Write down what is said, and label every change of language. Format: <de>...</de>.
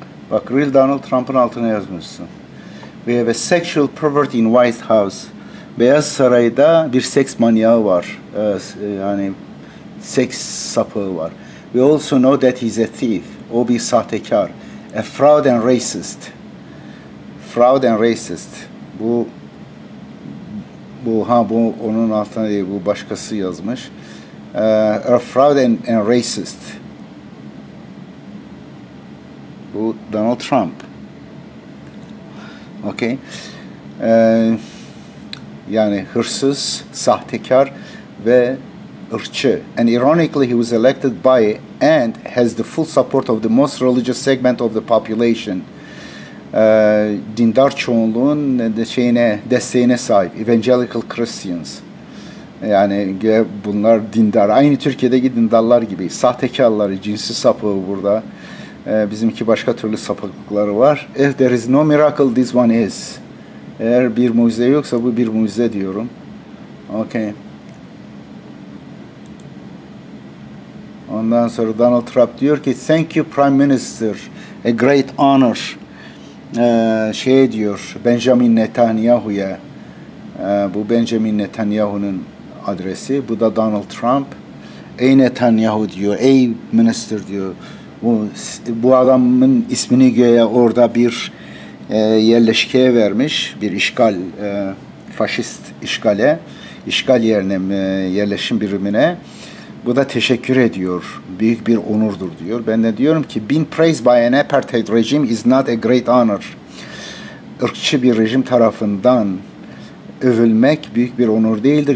<tr>Bak, real Donald Trump'ın altına yazmışsın.</tr> <en>We have a sexual pervert in White House.</en> <tr>Beyaz Saray'da bir seks manyağı var. Yani seks sapığı var.</tr> <en>We also know that he's a thief.</en> <tr>O bir sahtekar.</tr> <en>A fraud and racist. Fraud and racist.</en> <tr>Bu onun altına değil, bu başkası yazmış.</tr> <en>A fraud and racist.</en> <tr>Bu Donald Trump.</tr> <en>Okay.</en> <tr>Yani hırsız, sahtekar ve ırkçı.</tr> <en>And ironically, he was elected by and has the full support of the most religious segment of the population.</en> <tr>Dindar çoğunluğun desteğine sahip.</tr> <en>Evangelical Christians.</en> <tr>Yani bunlar dindar. Aynı Türkiye'deki dindarlar gibi. Sahtekarları, cinsi sapığı burada. Bizimki başka türlü sapıklıkları var.</tr> <en>If there is no miracle, this one is.</en> <tr>Eğer bir mucize yoksa bu bir mucize diyorum. Okay. Ondan sonra Donald Trump diyor ki,</tr> <en>thank you Prime Minister, a great honor.</en> <tr>Şey diyor, Benjamin Netanyahu'ya. Bu Benjamin Netanyahu'nun adresi. Bu da Donald Trump. Ey Netanyahu diyor, ey minister diyor. Bu adamın ismini göğe orada bir yerleşkeye vermiş, bir işgal, faşist işgale, işgal yerine, yerleşim birimine. Bu da teşekkür ediyor, büyük bir onurdur diyor. Ben de diyorum ki,</tr> <en>being praised by an apartheid regime is not a great honor.</en> <tr>Irkçı bir rejim tarafından övülmek büyük bir onur değildir.</tr>